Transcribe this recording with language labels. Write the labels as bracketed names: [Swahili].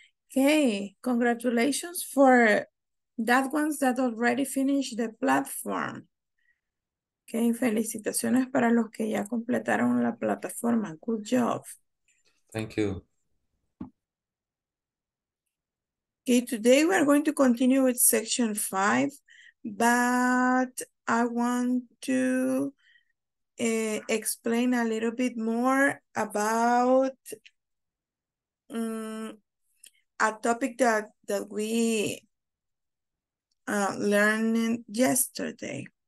[English] Okay, congratulations for that ones that already finished the platform. [Spanish] Okay, felicitaciones para los que ya completaron la plataforma. [English] Good job. Thank you. Okay, today we are going to continue with section 5, but I want to explain a little bit more about a topic that we learned yesterday.